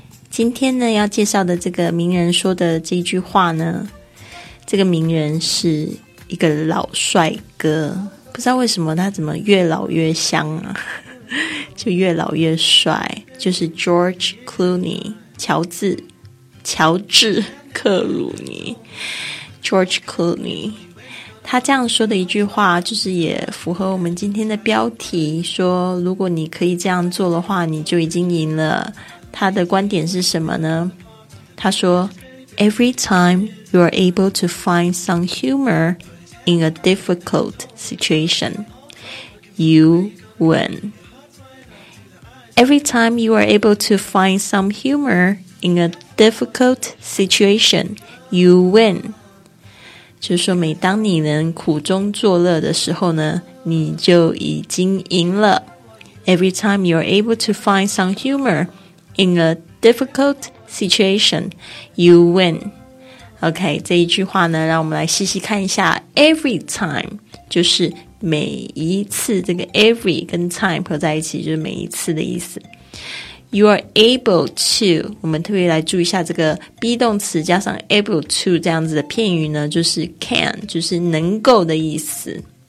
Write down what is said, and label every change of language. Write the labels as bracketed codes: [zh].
[zh] 今天呢，要介绍的这个名人说的这句话呢，这个名人是一个老帅哥，不知道为什么他怎么越老越香啊，就越老越帅，就是 George Clooney， 乔治克鲁尼 George Clooney。他这样说的一句话就是也符合我们今天的标题，说如果你可以这样做的话你就已经赢了。他的观点是什么呢？他说 [en] Every time you are able to find some humor in a difficult situation, you win. Every time you are able to find some humorIn a difficult situation, you win. [zh] 就是说每当你能苦中作乐的时候呢，你就已经赢了。 [en] Every time you are able to find some humor in a difficult situation, you win. [zh] OK, 这一句话呢，让我们来细细看一下。 Every time 就是每一次，这个 every 跟 time 合在一起就是每一次的意思。 [en] You are able to， [zh] 我们特别来注意一下这个 be 动词加上 able to 这样子的片语呢，就是 can， 就是能够的意思。